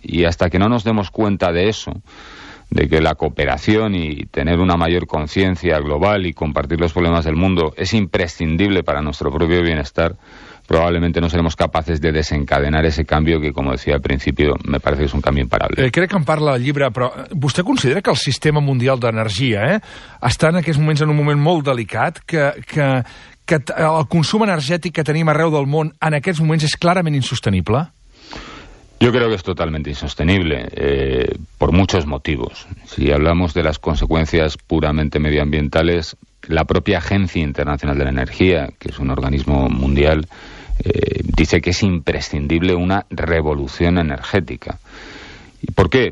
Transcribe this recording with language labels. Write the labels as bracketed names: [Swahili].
[Spanish] Y hasta que no nos demos cuenta de eso, de que la cooperación y tener una mayor conciencia global y compartir los problemas del mundo es imprescindible para nuestro propio bienestar, probablemente no seremos capaces de desencadenar ese cambio que, como decía al principio, me parece que es un cambio imparable. [Catalan] Crec que en parla el llibre, però vostè considera que el sistema mundial d'energia està en aquests moments en un moment molt delicat, que el consum energètic que tenim arreu del món en aquests moments és clarament insostenible? [Spanish] Yo creo que es totalmente insostenible, por muchos motivos. Si hablamos de las consecuencias puramente medioambientales, la propia Agencia Internacional de la Energía, que es un organismo mundial, dice que es imprescindible una revolución energética. ¿Por qué?